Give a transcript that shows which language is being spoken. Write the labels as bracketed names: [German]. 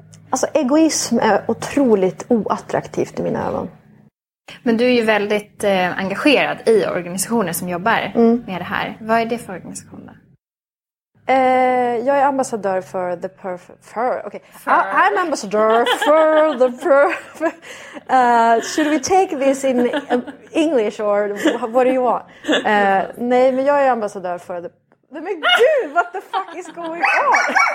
[Swedish] Alltså, egoism är otroligt oattraktivt i mina ögon. Men du är ju väldigt engagerad i organisationer som jobbar med det här. Vad är det för organisationer? Jag är ambassadör för The Perfect... [English] Okay. I'm ambassador for The Perfect... should we take this in English or what do you want? [Swedish] Nej, men jag är ambassadör för The... Men gud, [English] what the fuck is going on?